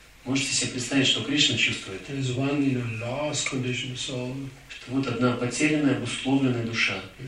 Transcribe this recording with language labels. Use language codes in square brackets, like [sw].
[ru] Можете себе представить, что Кришна чувствует? [en] There is one in a lost condition soul. [ru] Что вот одна потерянная, обусловленная душа.